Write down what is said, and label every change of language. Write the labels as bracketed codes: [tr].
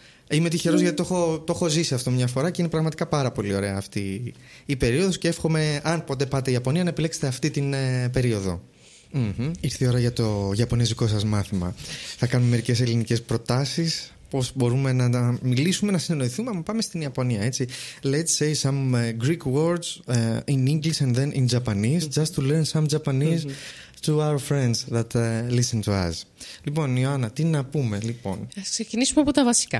[el] Είμαι τυχερός γιατί το έχω ζήσει αυτό μια φορά και είναι πραγματικά πάρα πολύ ωραία αυτή η περίοδος και εύχομαι αν ποτέ πάτε Ιαπωνία να επιλέξετε αυτή την περίοδο. Mm-hmm. Ήρθε η ώρα για το ιαπωνέζικο σας μάθημα. Θα κάνουμε μερικές ελληνικές προτάσεις πώς μπορούμε να μιλήσουμε, να συνεννοηθούμε αν πάμε στην Ιαπωνία, έτσι. [en] Let's say some Greek words in English and then in Japanese, mm-hmm. just to learn some Japanese mm-hmm. to our friends that listen to us. [el] Λοιπόν, Ιωάννα, τι να πούμε, λοιπόν. Ας ξεκινήσουμε από τα βασικά.